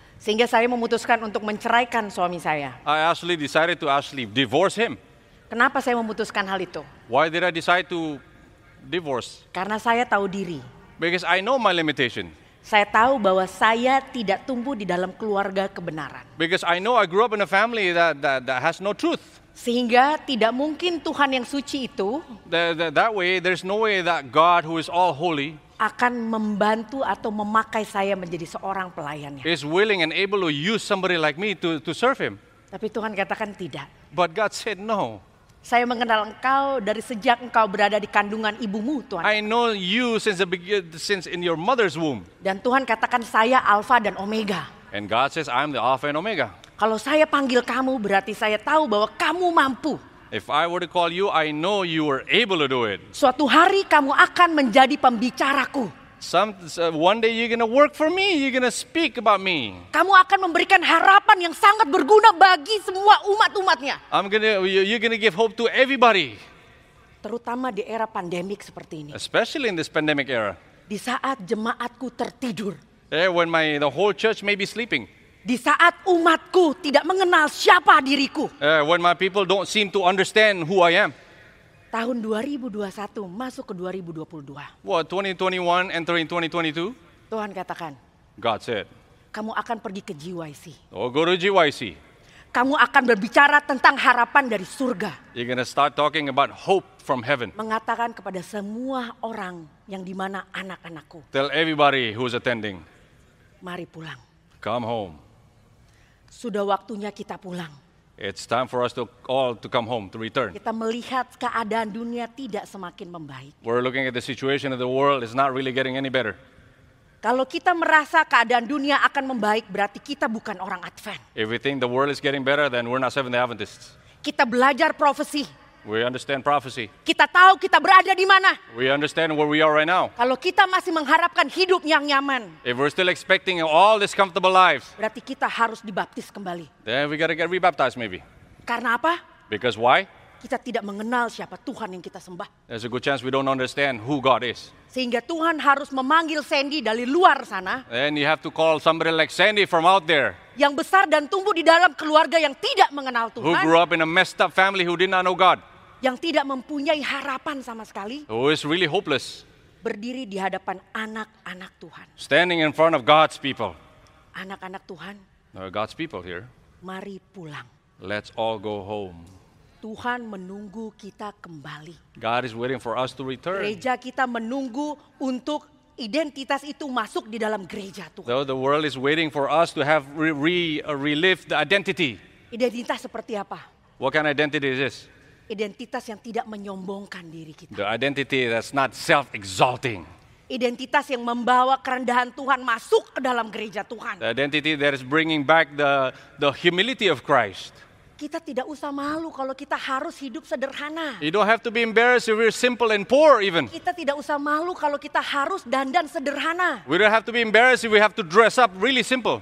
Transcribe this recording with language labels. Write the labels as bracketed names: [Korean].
[Indonesian] Sehingga saya memutuskan untuk menceraikan suami saya. [English] I actually decided to divorce him. [Indonesian] Kenapa saya memutuskan hal itu? [English] Why did I decide to divorce? [Indonesian] Karena saya tahu diri. [English] Because I know my limitation. [Indonesian] Saya tahu bahwa saya tidak tumbuh di dalam keluarga kebenaran. [English] Because I know I grew up in a family that has no truth. [Indonesian] Sehingga tidak mungkin Tuhan yang suci itu [English] that way, there's no way that God who is all holy [Indonesian] akan membantu atau memakai saya menjadi seorang pelayannya. [English] Is willing and able to use somebody like me to serve him. [Indonesian] Tapi Tuhan katakan tidak. [English] But God said no. [Indonesian] Saya mengenal engkau dari sejak engkau berada di kandungan ibumu, Tuhan. [English] I know you since in your mother's womb. [Indonesian] Dan Tuhan katakan saya Alpha dan Omega. [English] And God says I'm the Alpha and Omega. [Indonesian] Kalau saya panggil kamu, berarti saya tahu bahwa kamu mampu. [English] If I were to call you, I know you were able to do it. [Indonesian] Suatu hari kamu akan menjadi pembicaraku. [English] One day you're gonna work for me. You're gonna speak about me. [Indonesian] Kamu akan memberikan harapan yang sangat berguna bagi semua umat-umatnya. [English] You're gonna give hope to everybody. [Indonesian] Terutama di era pandemik seperti ini. [English] Especially in this pandemic era. [Indonesian] Di saat jemaatku tertidur. [English] When the whole church may be sleeping. [Indonesian] Di saat umatku tidak mengenal siapa diriku. [English] When my people don't seem to understand who I am. [Indonesian] Tahun 2021 masuk ke 2022. [English] What, 2021 entering 2022? [Indonesian] Tuhan katakan. [English] God said. [Indonesian] Kamu akan pergi ke GYC. [English] Oh, go to GYC. [Indonesian] Kamu akan berbicara tentang harapan dari surga. [English] You're gonna start talking about hope from heaven. [Indonesian] Mengatakan kepada semua orang yang di mana anak-anakku. [English] Tell everybody who's attending. [Indonesian] Mari pulang. [English] Come home. [Indonesian] Sudah waktunya kita pulang. [English] It's time for us to all to come home, to return. [Indonesian] Kita melihat keadaan dunia tidak semakin membaik. [English] We're looking at the situation of the world, it's not really getting any better. [Indonesian] Kalau kita merasa keadaan dunia akan membaik, berarti kita bukan orang Advent. [English] If we think the world is getting better, then we're not Seventh-day Adventists. [Indonesian] Kita belajar prophecy. [English] We understand prophecy. [Indonesian] Kita tahu kita berada di mana. [English] We understand where we are right now. [Indonesian] Kalau kita masih mengharapkan hidup yang nyaman. [English] If we're still expecting all this comfortable lives. [Indonesian] Berarti kita harus dibaptis kembali. [English] Then we gotta get rebaptized maybe. [Indonesian] Karena apa? [English] Because why? [Indonesian] Kita tidak mengenal siapa Tuhan yang kita sembah. [English] There's a good chance we don't understand who God is. [Indonesian] Sehingga Tuhan harus memanggil Shandy dari luar sana. [English] Then you have to call somebody like Shandy from out there. [Indonesian] Yang besar dan tumbuh di dalam keluarga yang tidak mengenal Tuhan. [English] Who grew up in a messed up family who did not know God. [Indonesian] Yang tidak mempunyai harapan sama sekali. [English] Who is really hopeless. [Indonesian] Berdiri di hadapan anak-anak Tuhan. [English] Standing in front of God's people. [Indonesian] Anak-anak Tuhan. [English] God's people here. [Indonesian] Mari pulang. [English] Let's all go home. [Indonesian] Tuhan menunggu kita kembali. [English] God is waiting for us to return. [Indonesian] Gereja kita menunggu untuk identitas itu masuk di dalam gereja Tuhan. [English] The world is waiting for us to have relive the identity. [Indonesian] Identitas seperti apa? [English] What kind of identity is this? [Indonesian] Identitas yang tidak menyombongkan diri kita. [English] The identity that's not self-exalting. [Indonesian] Identitas yang membawa kerendahan Tuhan masuk ke dalam gereja Tuhan. [English] The identity that is bringing back the humility of Christ. [Indonesian] Kita tidak usah malu kalau kita harus hidup sederhana. [English] You don't have to be embarrassed if we're simple and poor even. [Indonesian] Kita tidak usah malu kalau kita harus dandan sederhana. [English] We don't have to be embarrassed if we have to dress up really simple.